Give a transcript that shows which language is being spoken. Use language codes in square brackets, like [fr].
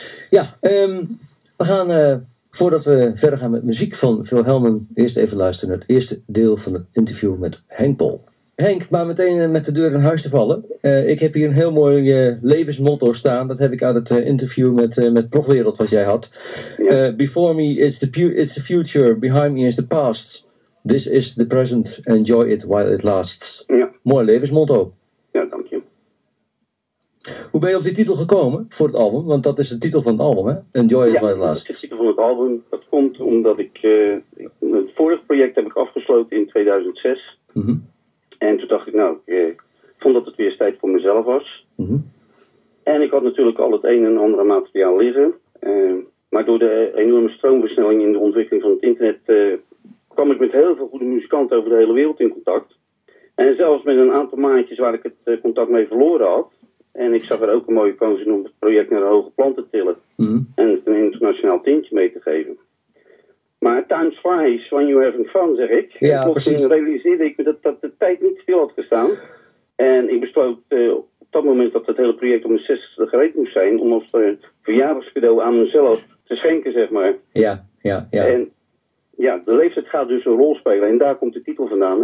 [nl] Ja, we gaan, voordat we verder gaan met muziek van Phil Hellman, eerst even luisteren naar het eerste deel van het interview met Henk Bol. Henk, maar meteen met de deur in huis te vallen. Ik heb hier een heel mooi levensmotto staan. Dat heb ik uit het interview met Progwereld wat jij had. Ja. [en] Before me is the future, behind me is the past. This is the present, enjoy it while it lasts. [nl] Ja. Mooi levensmotto. Ja, dank je. Hoe ben je op die titel gekomen voor het album? Want dat is de titel van het album, hè? [en] Enjoy it while it lasts. [nl] Ja, de titel voor het album. Dat komt omdat ik het vorige project heb ik afgesloten in 2006. Mm-hmm. En toen dacht ik, nou, ik vond dat het weer tijd voor mezelf was. Mm-hmm. En ik had natuurlijk al het een en ander materiaal liggen. Maar door de enorme stroomversnelling in de ontwikkeling van het internet kwam ik met heel veel goede muzikanten over de hele wereld in contact. En zelfs met een aantal maandjes waar ik het contact mee verloren had. En ik zag er ook een mooie kans in om het project naar de hoge plan te tillen. Mm-hmm. En het een internationaal tintje mee te geven. Maar [en] time flies when you're having fun, [nl] zeg ik. Ja, precies. Toen realiseerde ik me dat de tijd niet stil had gestaan. En ik besloot op dat moment dat het hele project om de 60e gereed moest zijn. Om als verjaardagscadeau aan mezelf te schenken, zeg maar. Ja, ja, ja. En ja, de leeftijd gaat dus een rol spelen. En daar komt de titel vandaan.